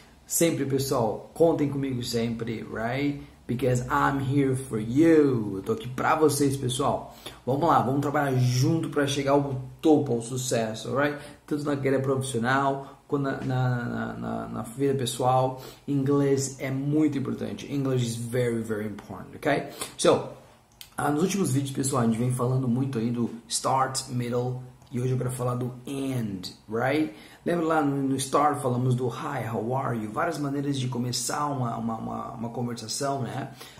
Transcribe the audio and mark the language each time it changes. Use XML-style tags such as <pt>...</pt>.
<pt>Sempre pessoal, contem comigo sempre, right?</pt> <en>Because I'm here for you,</en> <pt>eu tô aqui para vocês pessoal. Vamos lá, vamos trabalhar junto para chegar ao topo, ao sucesso, right? Tanto na carreira profissional, na vida pessoal, inglês é muito importante.</pt> <en>English is very, very important, ok?</en> <pt>So, nos últimos vídeos, pessoal, a gente vem falando muito aí do start, middle, e hoje eu quero falar do end, right? Lembra lá no start, falamos do</pt> <en>hi, how are you?</en> <pt>Várias maneiras de começar uma conversação, né?</pt>